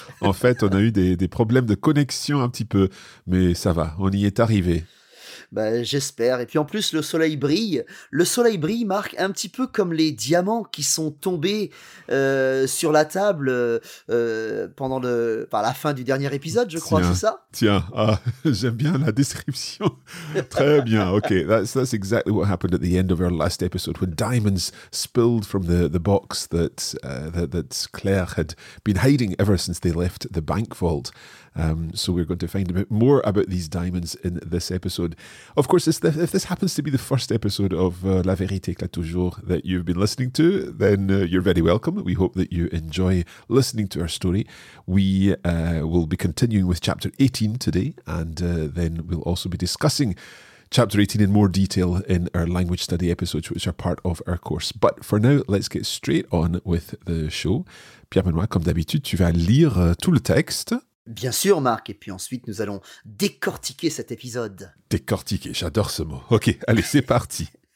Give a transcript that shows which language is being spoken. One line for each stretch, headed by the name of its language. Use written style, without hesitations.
French: En fait, on a eu des problèmes de connexion un petit peu, mais ça va, on y est arrivé. Ben, j'espère. Et puis en plus, le soleil brille, Marc, un petit peu comme les diamants qui sont tombés sur la table pendant la fin du dernier épisode, je crois, c'est ça ? Tiens, j'aime bien la description. Très bien, ok.
English: That's exactly what happened at the end of our last episode, when diamonds spilled from the box that Claire had been hiding ever since they left the bank vault. So we're going to find a bit more about these diamonds in this episode. Of course, if this happens to be the first episode of La Vérité Éclate Toujours that you've been listening to, then you're very welcome. We hope that you enjoy listening to our story. We will be continuing with chapter 18 today, and then we'll also be discussing chapter 18 in more detail in our language study episodes, which are part of our course. But for now, let's get straight on with the show.
French: Pierre Benoît, comme d'habitude, tu vas lire tout le texte. Bien sûr, Marc. Et puis ensuite, nous allons décortiquer cet épisode. Décortiquer, j'adore ce mot. Ok, allez, c'est parti.